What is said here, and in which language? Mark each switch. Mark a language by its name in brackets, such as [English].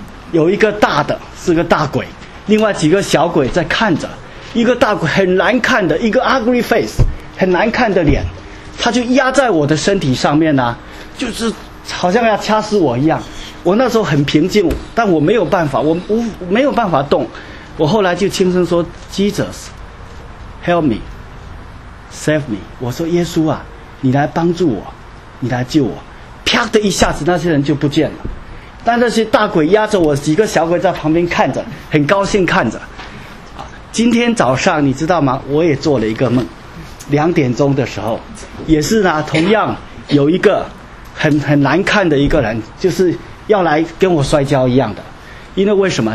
[Chinese] 有一个大的是个大鬼，另外几个小鬼在看着。一个大鬼很难看的，一个 [English] ugly face， [Chinese] 很难看的脸，他就压在我的身体上面呢、啊，就是好像要掐死我一样。我那时候很平静，但我没有办法，我没有办法动。我后来就轻声说 [English] ：“Jesus, help me, save me。” [Chinese] 我说：“耶稣啊，你来帮助我，你来救我。” 啪的一下子，那些人就不见了。但那些大鬼压着我，几个小鬼在旁边看着，很高兴看着。啊，今天早上你知道吗？我也做了一个梦，两点钟的时候，也是呢，同样有一个很难看的一个人，就是要来跟我摔跤一样的。因为为什么？